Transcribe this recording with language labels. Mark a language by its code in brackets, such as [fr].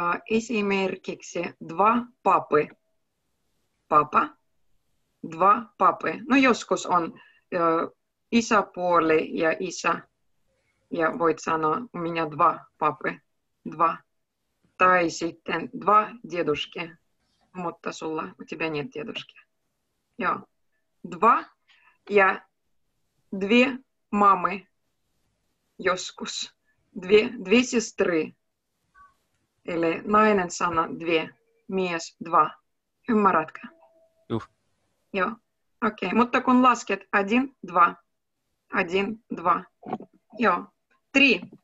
[fi] Esimerkiksi [ru] два папы. Папа. Два папы. [fi] No joskus on isäpuoli ja isä Ja voit sanoa, [ru] у меня два папы. Два. [fi] Tai sitten [ru] два дедушки. [fi] Mutta sulla, [ru] у тебя нет дедушки. [fi] Joo. [ru] Два ja две мамы. [fi] Joskus. [ru] Две сестры. [fi] Eli nainen sana две. Mies два. Ymmärrätkö? Juh. Joo. Okei, okay. Mutta kun lasket, 1, 2. 1, 2. Joo. 3.